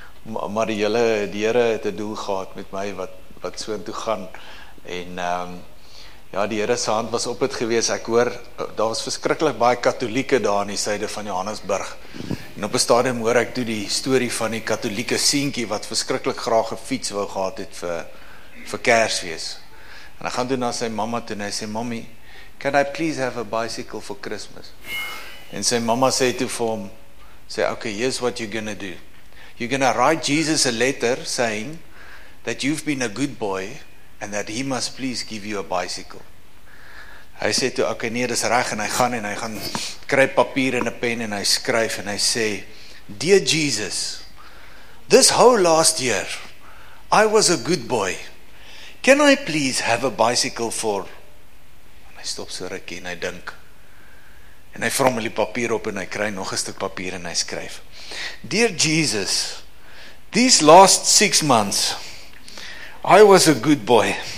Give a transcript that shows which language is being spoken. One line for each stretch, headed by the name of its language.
Afrikaans: Maar die Here het een doel gehad met my wat so toe gaan. En ja, die Here se hand was op het gewees. Ek hoor, daar was verskriklik baie katholieke daar in die syde van Johannesburg. En op een stadium hoor ek toe die story van die katholieke sienkie wat verskriklik graag een fiets wou gehad het vir Kersfees. En ek gaan toe na sy mama toe en hy sê,
English: Mommy, can I please have a bicycle for Christmas?
Afrikaans: En sy mama sê toe vir hom, sê,
English: okay, here's what you're gonna do. You're gonna write Jesus a letter saying that you've been a good boy and that he must please give you a bicycle.
Afrikaans: Hy sê toe, okay, nee, dis reg, en hy gaan kry papier en 'n pen en hy skryf en hy sê,
English: Dear Jesus, this whole last year, I was a good boy. Can I please have a bicycle for...
Afrikaans: En hy stop so rukkie en hy dink. En hy vrommel die papier op en hy kry nog 'n stuk papier en hy skryf.
English: Dear Jesus, these last 6 months, I was a good boy.